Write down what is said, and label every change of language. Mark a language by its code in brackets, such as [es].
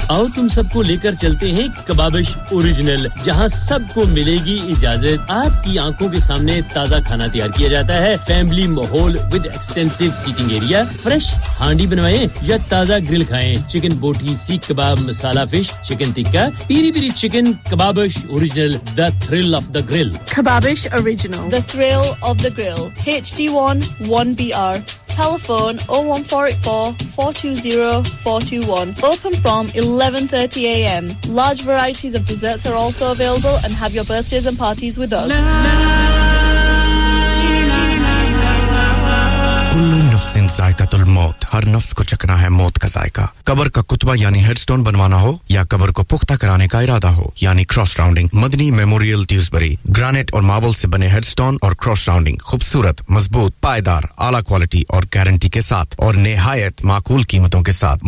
[hi] आओ तुम सबको लेकर चलते हैं कबाबिश ओरिजिनल, जहां सबको मिलेगी इजाजत. आपकी आंखों के सामने ताजा खाना तैयार किया जाता है. फैमिली माहौल [en] With extensive seating area. [hi] Fresh हांडी बनवाएं या ताजा ग्रिल खाएं. चिकन बोटी, सीख कबाब, मसाला fish, chicken tikka, Piri Piri chicken. Kababish original, [en] The thrill of the grill. [hi] Kababish original, [en] The thrill of the grill. HD1 1BR. Telephone 01484-420-421. Open from 11:30 a.m. Large varieties of desserts are also available, and have your birthdays and parties with us. [ar] इन जायकतुल मौत, [hi] हर नफ्स को चखना है मौत का जायका. कब्र का कुतबा यानी हेडस्टोन बनवाना हो या कब्र को पुख्ता कराने का इरादा हो यानी cross rounding. Madani memorial Dewsbury, granite और मार्बल से बने हेडस्टोन और क्रॉस राउंडिंग खूबसूरत, मजबूत, पायदार, आला क्वालिटी और गारंटी के साथ और نہایت معقول कीमतों के साथ.